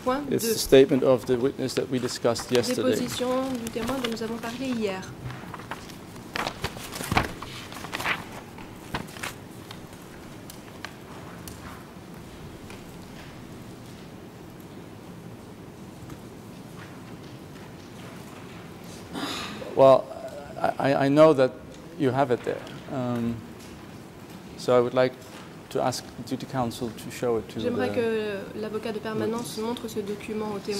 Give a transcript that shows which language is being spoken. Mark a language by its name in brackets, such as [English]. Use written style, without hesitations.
[English] It's the statement of the witness that we discussed yesterday. [French] Déposition du témoin dont nous avons parlé hier. [English] Well, I know that you have it there. So I would like to ask the counsel to show it to [French] J'aimerais que l'avocat de permanence montre ce document au témoin.